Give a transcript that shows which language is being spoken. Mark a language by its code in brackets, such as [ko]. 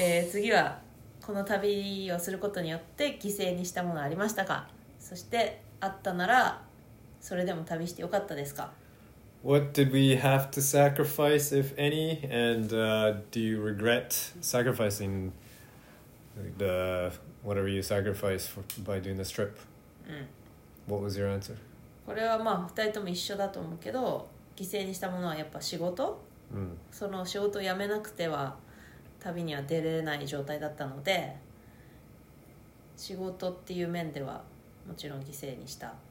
[ja] 次はこの旅をすることによって犠牲にしたものありましたか？そしてあったならそれでも旅してよかったですか？ [en] What did we have to sacrifice, if any? And do you regret sacrificing the whatever you sacrificed for, by doing this trip? What was your answer? [ja] これはまあ二人とも一緒だと思うけど犠牲にしたものはやっぱ仕事、その仕事を辞めなくては旅には出れない状態だったので仕事っていう面ではもちろん犠牲にした。